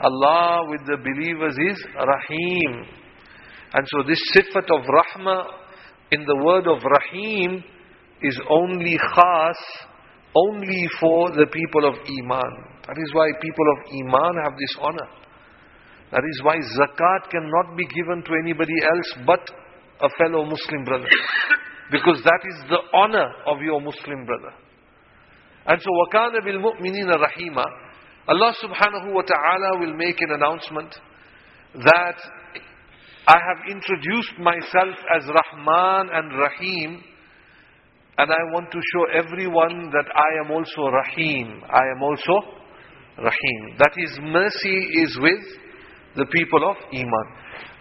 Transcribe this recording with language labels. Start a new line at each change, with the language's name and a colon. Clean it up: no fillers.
English: Allah with the believers is Rahim. And so this sifat of Rahma in the word of Rahim is only khas, only for the people of Iman. That is why people of Iman have this honor. That is why zakat cannot be given to anybody else but a fellow Muslim brother. Because that is the honor of your Muslim brother. And so,
Arabic: وَكَانَ بِالْمُؤْمِنِينَ رَحِيمًا.
English: Allah subhanahu wa ta'ala will make an announcement that I have introduced myself as Rahman and Rahim, and I want to show everyone that I am also Rahim. I am also Rahim. That is, mercy is with the people of Iman.